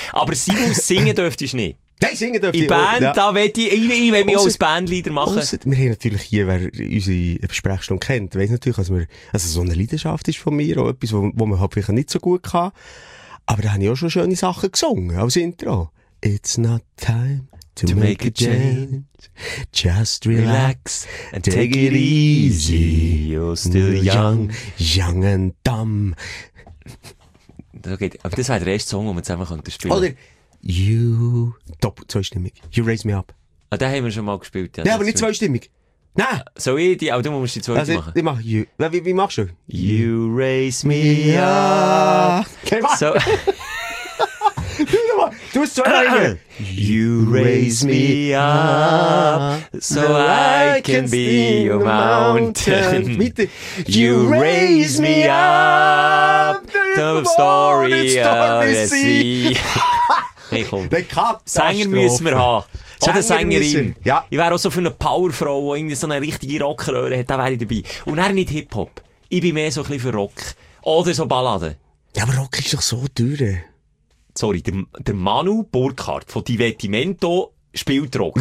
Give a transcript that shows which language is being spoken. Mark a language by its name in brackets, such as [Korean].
[German] Aber Simon, singen dürftest du nicht. Nein, singen dürfte ich nicht. In Band, ja. Da will ich, ich will mich auch als Bandleader machen. Wir haben natürlich hier, wer unsere Sprechstunde kennt, weiss natürlich, dass also so eine Leidenschaft ist von mir, auch etwas, wo man halt vielleicht nicht so gut kann. Aber da habe ich auch schon schöne Sachen gesungen, als Intro. [English] It's not time to make a change. Just relax and take it easy. You're still young, young and dumb. [German] Okay, aber das wäre der erste Song, den man zusammen spielen könnte. Oder You, doppelt zweistimmig. [English] You raise me up. [German] Ah, den haben wir schon mal gespielt. Ja, aber nicht zweistimmig. Nein! So ich die, aber du musst die zweite machen. Ich mach You. Wie machst du? [English] You raise me up. [German] Okay, so. Du hast zwei Reihen. [English] You raise me up so I can be your mountain. You raise me up the story of the sea. [German] Hey, komm. Sänger müssen wir haben. Oder Sängerin. Ja. Ich wäre auch so für eine Powerfrau, die irgendwie so eine richtige Rockröhre hat. Da wäre ich dabei. Und er nicht Hip-Hop. Ich bin mehr so ein bisschen für Rock. Oder so Balladen. Ja, aber Rock ist doch so teuer. Sorry, der Manu Burkhardt von Divertimento spielt Rock.